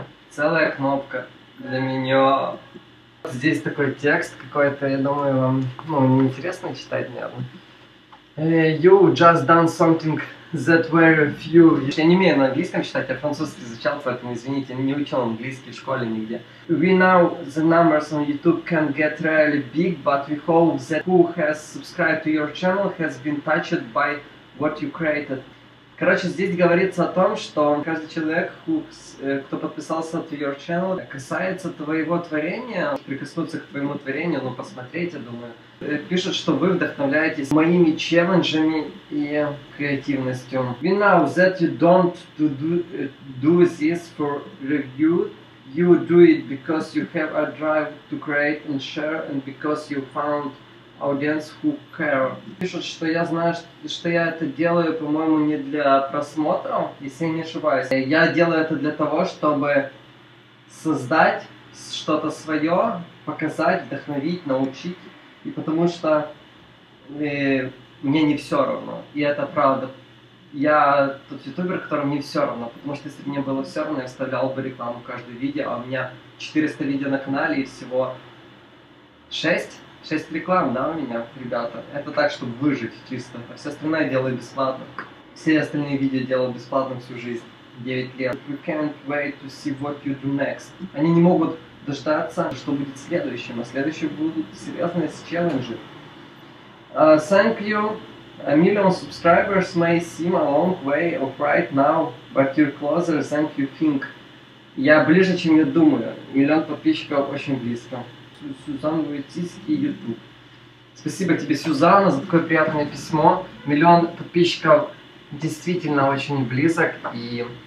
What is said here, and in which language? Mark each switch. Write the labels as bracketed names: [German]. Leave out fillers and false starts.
[Russian] Целая кнопка для меня. Здесь такой текст какой-то, я думаю, вам ну, неинтересно читать, наверное. [English] You just done something that very few... [Russian] Я не умею на английском читать, я французский изучал, поэтому, извините, не учил английский в школе нигде. [English] We know the numbers on YouTube can get really big, but we hope that who has subscribed to your channel has been touched by what you created. [Russian] Короче, здесь говорится о том, что каждый человек, кто подписался [English] to your channel, [Russian] касается твоего творения, прикоснуться к твоему творению, ну, посмотреть, я думаю. Пишет, что вы вдохновляетесь моими челленджами и креативностью. [English] We know that you don't do this for review. You do it because you have a drive to create and share, and because you found audience who care. [Russian] Пишут, что я знаю, что я это делаю, по-моему, не для просмотра, если я не ошибаюсь. Я делаю это для того, чтобы создать что-то свое, показать, вдохновить, научить. И потому что мне не все равно. И это правда. Я тот ютубер, которому не все равно. Потому что если бы мне было все равно, я вставлял бы рекламу каждое видео. А у меня 400 видео на канале и всего 6. 6 реклам, да, у меня, ребята. Это так, чтобы выжить чисто. А все остальное я делаю бесплатно. Все остальные видео делаю бесплатно всю жизнь. 9 лет. [English] You can't wait to see what you do next. [Russian] Они не могут дождаться, что будет следующим, а следующие будут серьезные челленджи. [English] Thank you. A million subscribers may seem a long way off right now, but you're closer than you think. [Russian] Я ближе, чем я думаю. Миллион подписчиков очень близко. Сюзан Войтицкий, YouTube. Спасибо тебе, Сюзанна, за такое приятное письмо. Миллион подписчиков действительно очень близок и...